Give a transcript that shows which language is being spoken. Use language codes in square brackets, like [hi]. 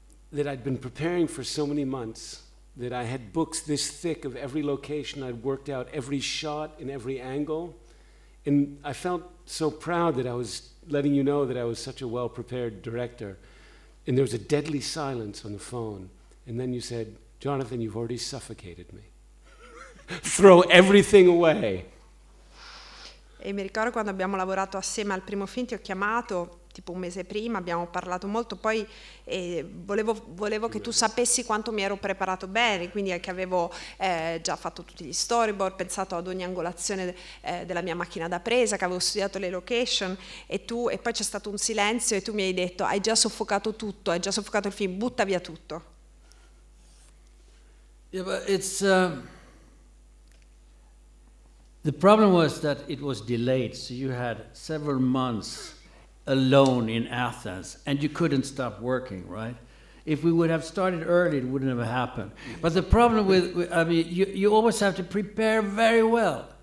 [en] that I'd been preparing for so many months that I had books this thick of every location, I'd worked out every shot and every angle, and I felt so proud that I was letting you know that I was such a well-prepared director, and there was a deadly silence on the phone, and then you said, Jonathan, you've already suffocated me. Throw everything away. [it] E mi ricordo quando abbiamo lavorato assieme al primo film, ti ho chiamato tipo un mese prima, abbiamo parlato molto, poi volevo che tu sapessi quanto mi ero preparato bene, quindi che avevo già fatto tutti gli storyboard, pensato ad ogni angolazione della mia macchina da presa, che avevo studiato le location, e poi c'è stato un silenzio e tu mi hai detto, hai già soffocato tutto, hai già soffocato il film, butta via tutto. [en] Yeah, but it's, the problem was that it was delayed, so you had several months alone in Athens, and you couldn't stop working, right? If we would have started early, it wouldn't have happened. But the problem you always have to prepare very well.